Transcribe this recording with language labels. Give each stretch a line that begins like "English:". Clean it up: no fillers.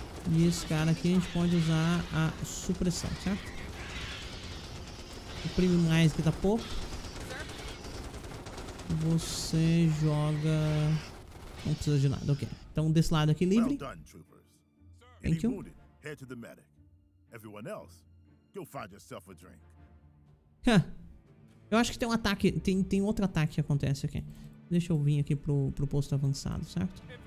Portuguese: E esse cara aqui a gente pode usar a supressão, certo? Oprime mais que tá pouco. Você joga... Não precisa de nada, ok. Então desse lado aqui livre.
English: Thank you. Head to the medic. Everyone else, go find yourself a drink.
Portuguese: Eu acho que tem um ataque, tem outro ataque que acontece aqui. Deixa eu vir aqui pro posto avançado, certo?